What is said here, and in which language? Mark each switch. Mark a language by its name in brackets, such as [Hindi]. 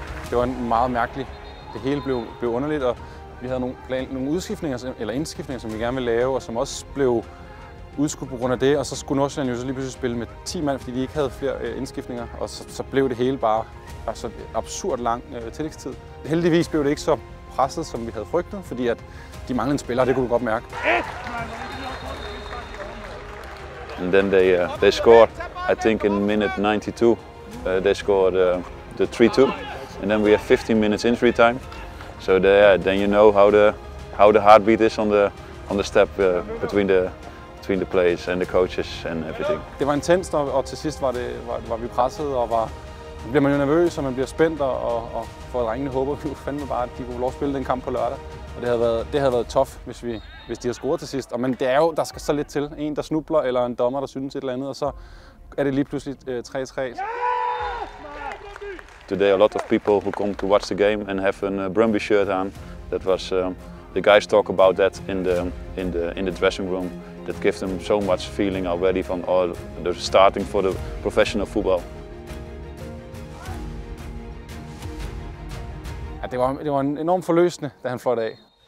[Danish] Det var meget mærkeligt. Det hele blev underligt, og vi havde nogle udskiftninger eller indskiftninger, som vi gerne ville lave, og som også blev udskudt på grund af det. Og så skulle Nordsjælland jo så lige pludselig spille med 10 mand, fordi de ikke havde flere indskiftninger. Og så blev det hele bare altså absurd lang tillægstid. Heldigvis blev det ikke så presset, som vi havde frygtet, fordi at de manglede en spiller, det kunne du godt mærke. [English] And then they scored, I think in minute 92, they scored the 3-2. And then we have 15 minutes injury time. So then you know how the heartbeat is on the step between the players and the coaches and everything. [Danish] Det var intenst, og til sidst var vi presset, og var bliver man jo nervøs, og man bliver spændt, og for drengene håber vi fandme bare, at de kunne få lov at spille den kamp på lørdag. Og det havde været tough, hvis de havde scoret til sidst. Men det er jo, der skal så lidt til. En, der snubler, eller en dommer, der synes et eller andet, og så er det lige pludselig 3-3. [English] Today a lot of people who come to watch the game and have a Brøndby shirt on. That was the guys talk about that in the dressing room. That gave them so much feeling already from all the starting for the professional football. [Danish] Ja, det var en enorm forløsende, da han fløjte af.